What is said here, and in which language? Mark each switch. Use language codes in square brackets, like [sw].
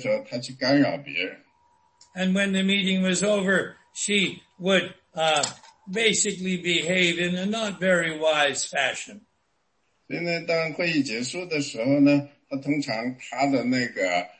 [zh] 她呢，当她进来的时候，她去干扰别人。 [en] And when the meeting was over, she would basically behave in a not very wise fashion. [zh] 所以呢，当会议结束的时候呢，她通常她的那个。